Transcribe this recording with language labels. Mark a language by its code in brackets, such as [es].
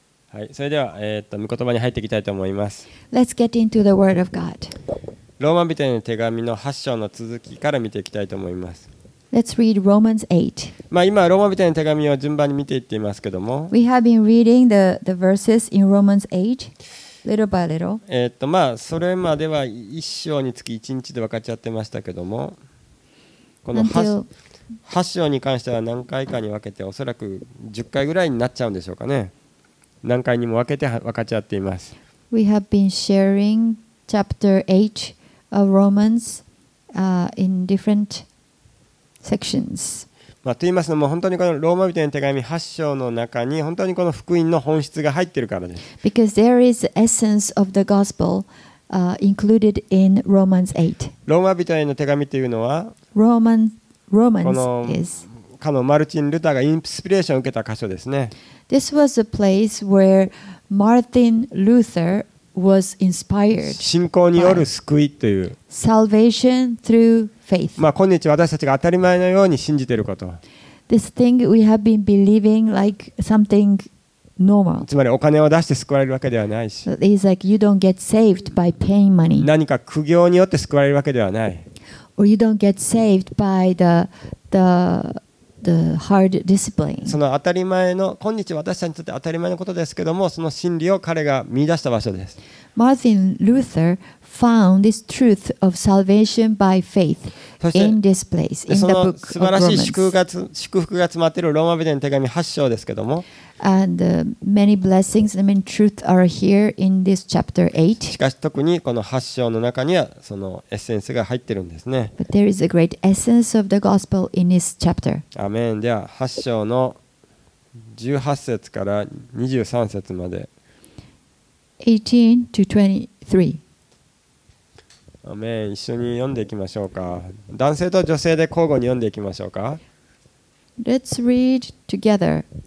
[ja] はい、それでは、御言葉に入っていきたいと思います。 [en] Let's get into the word of God. [ja] ローマ人への手紙の8章の続きから見ていきたいと思います。 [en] Let's read Romans 8. [ja] まあ今ローマ人への手紙を順番に見ていっていますけども、 [en] We have been reading the verses in Romans 8 little by little. [ja] まあそれまでは1章につき1日で分かっちゃってましたけども、この8章に関しては何回かに分けて、おそらく10回ぐらいになっちゃうんでしょうかね。何回にも分けて分かち合っています。 [en] We have been sharing chapter 8 of Romans in different sections. [ja] まあと言いますのも、本当にこのローマ人への手紙8章の中に本当にこの福音の本質が入っているからです。 [en] Because there is essence of the gospel included in Romans 8. [ja] ローマ人への手紙というのは、 [en] Romans is [ja] かのマルチン・ルターがインスピレーションを受けた箇所ですね。 [en] This was a place where Martin Luther was inspired. [ja] 信仰による救いという。 [en] Salvation through faith. [ja] まあ今日私たちが当たり前のように信じていること。 [en] This thing we have been believing like something normal. [ja] つまりお金を出して救われるわけではないし。 [en] It's like you don't get saved by paying money. [ja] 何か苦行によって救われるわけではない。 [en] Or you don't get saved by the hard discipline. [ja] その当たり前の、今日私たちにとって当たり前のことですけども、その真理を彼が見出した場所です。 [en] Martin Luther found this truth of salvation by faith in this place, in the book of Romans. [ja] その素晴らしい祝福が詰まっているローマ人への手紙8章ですけども。 [en] And many blessings and many truths are here in this chapter 8. [ja] しかし特にこの8章の中にはそのエッセンスが入ってるんですね。 [en] But there is a great essence of the gospel in this chapter. [ja] アメン。では8章の18節から23節まで。 [en] 18-23. [ja] アメン。一緒に読んでいきましょうか。男性と女性で交互に読んでいきましょうか。 [en] Let's read together.